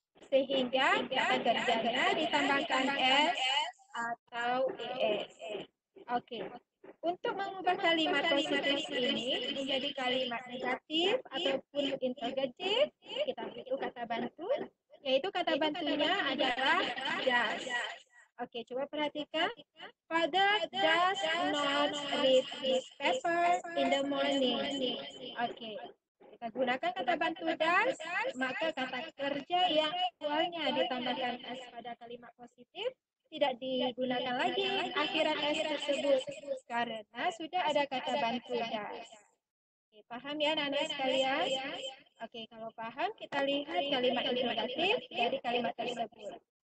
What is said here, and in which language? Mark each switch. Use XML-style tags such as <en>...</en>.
<id>Sehingga kata kerjanya ditambahkan s atau es. Oke. Untuk mengubah kalimat positif ini menjadi kalimat negatif ataupun interjektif, kita butuh kata bantu, yaitu kata bantunya adalah does. Oke, coba perhatikan.</id> <en>Father does not read his paper in the morning.</en> <id>Oke, kita gunakan kata bantu does, maka kata kerja yang awalnya ditambahkan s pada kalimat positif tidak digunakan lagi akhiran s tersebut karena sudah ada kata bantu das. Oke, paham ya anak-anak sekalian? Oke, kalau paham kita lihat kalimat interrogatif dari kalimat tersebut.</id>